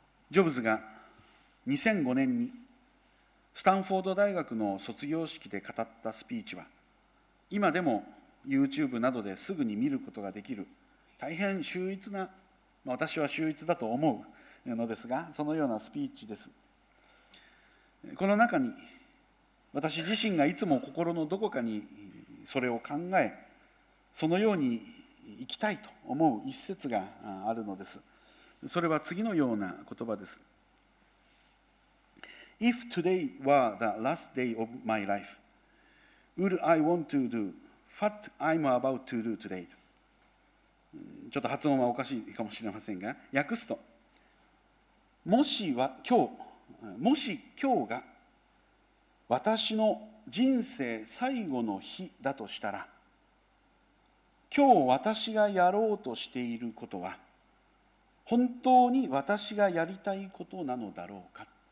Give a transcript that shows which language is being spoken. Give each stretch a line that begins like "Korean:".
Japanese: ジョブズが2005年にスタンフォード大学の卒業式で語ったスピーチは、今でも YouTube などですぐに見ることができる大変秀逸な、私は秀逸だと思うのですが、そのようなスピーチです。この中に私自身がいつも心のどこかにそれを考え、そのように生きたいと思う一節があるのです。それは次のような言葉です。
English: If today were the last day of my life, would I want to do what I'm about to do today?
Japanese: ちょっと発音はおかしいかもしれませんが、訳すと、もし今日が私の人生最後の日だとしたら、今日私がやろうとしていることは本当に私がやりたいことなのだろうか。